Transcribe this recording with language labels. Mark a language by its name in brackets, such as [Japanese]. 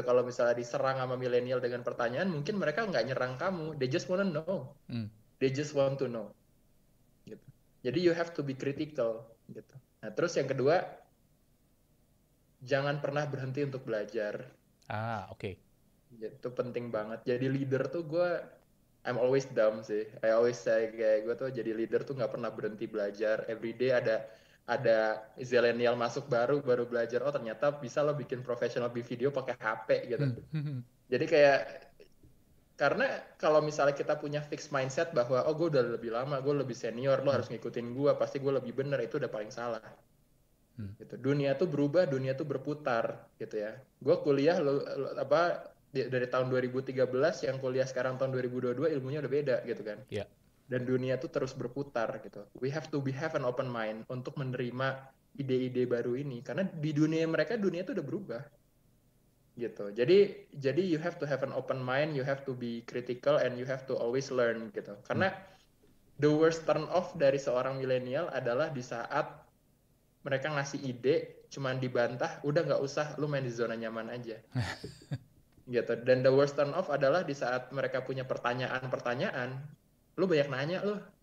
[Indonesian] Kalau misalnya diserang sama milenial dengan pertanyaan, mungkin mereka nggak nyerang kamu. [English] They just wanna know. They just want to know. [Indonesian] Gitu. Jadi [English] you have to be critical, gitu. [Indonesian] Nah, terus yang kedua, jangan pernah berhenti untuk belajar. Ah, oke. [English] Okay. [Indonesian] Itu penting banget. Jadi leader tuh gue, [English] I'm always dumb [Indonesian] sih. [English] I always say [Indonesian] kayak gue tuh jadi leader tuh gak pernah berhenti belajar. [English] Every day [Indonesian] ada zillennial masuk baru belajar. Oh ternyata bisa lo bikin professional di video pakai HP gitu. Jadi kayak, karena kalau misalnya kita punya [English] fixed mindset [Indonesian] bahwa oh gue udah lebih lama, gue lebih senior, lo harus ngikutin gue, pasti gue lebih bener, itu udah paling salah. Gitu. Dunia tuh berubah, dunia tuh berputar gitu ya. Gue kuliah dari tahun 2013 yang kuliah sekarang tahun 2022 ilmunya udah beda gitu kan. [English] Yeah. [Indonesian] Dan dunia tuh terus berputar gitu. [English] We have to have an open mind [Indonesian] untuk menerima ide-ide baru ini karena di dunia mereka dunia tuh udah berubah. Gitu. Jadi [English] you have to have an open mind, you have to be critical and you have to always learn gitu. [Indonesian] Karena [English] the worst turn off [Indonesian] dari seorang milenial adalah di saat mereka ngasih ide cuman dibantah, udah enggak usah lu main di zona nyaman aja. Gitu. Dan [English] the worst turn off [Indonesian] adalah di saat mereka punya pertanyaan-pertanyaan, lu banyak nanya lu.